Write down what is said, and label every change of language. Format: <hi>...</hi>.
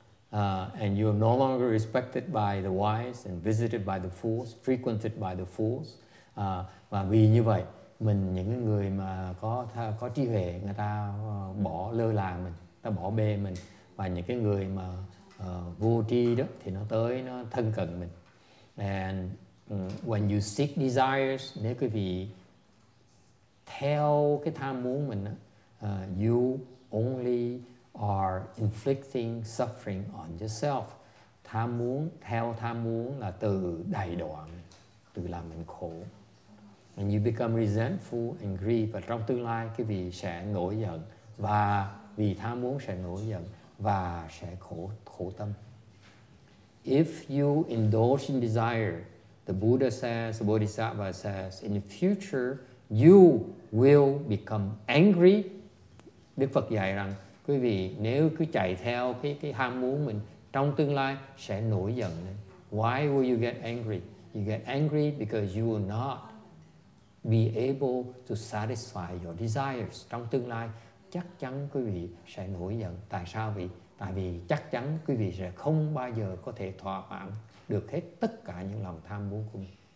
<en>And you are no longer respected by the wise and visited by the fools, frequented by the fools.</en> <vi>Và vì như vậy, mình những người mà có trí huệ, người ta bỏ lơ là mình, ta bỏ bê mình. Và những cái người mà vô tri đó, thì nó tới, nó thân cận mình.</vi> <en>And when you seek desires,</en> <vi>nếu quý vị theo cái tham muốn mình,</vi> <en>you only are inflicting suffering on yourself.</en> <vi>Tham muốn, theo tham muốn là tự đày đọa mình, tự làm mình khổ.</vi> <en>And you become resentful and grieve.</en> <vi>Và trong tương lai, quý vị sẽ nổi giận. Và vì tham muốn sẽ nổi giận và sẽ khổ tâm.</vi> <en>If you indulge in desire, the Buddha says, the Bodhisattva says, in the future, you will become angry.</en> <vi>Đức Phật dạy rằng, quý vị nếu cứ chạy theo cái ham muốn mình, trong tương lai sẽ nổi giận.</vi> <en>Why will you get angry? You get angry because you will not be able to satisfy your desires.</en> <vi>Trong tương lai, chắc chắn quý vị sẽ nổi giận. Tại sao vậy? Tại vì chắc chắn quý vị sẽ không bao giờ có thể thỏa mãn được hết tất cả những lòng tham muốn của mình.</vi>